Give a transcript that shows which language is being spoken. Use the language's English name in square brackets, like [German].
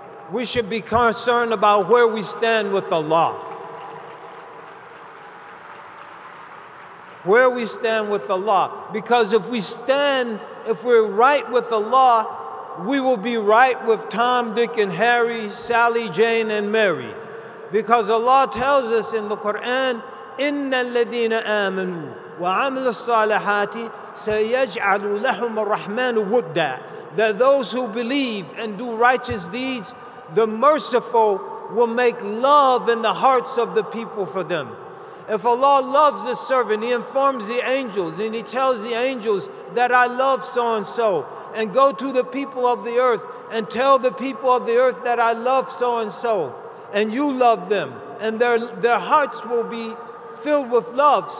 [English] We should be concerned about where we stand with Allah. Where we stand with Allah. Because if we stand, if we're right with Allah, we will be right with Tom, Dick, and Harry, Sally, Jane, and Mary. Because Allah tells us in the Quran, [Arabic] إِنَّ الَّذِينَ آمَنُوا وَعَمِلُوا الصَّالِحَاتِ سَيَجْعَلُ لَهُمَ الرَّحْمَنُ وُدَّا. [English] That those who believe and do righteous deeds, the merciful will make love in the hearts of the people for them. If Allah loves the servant, he informs the angels and he tells the angels that I love so-and-so, and go to the people of the earth and tell the people of the earth that I love so-and-so, and you love them, and their hearts will be filled with love.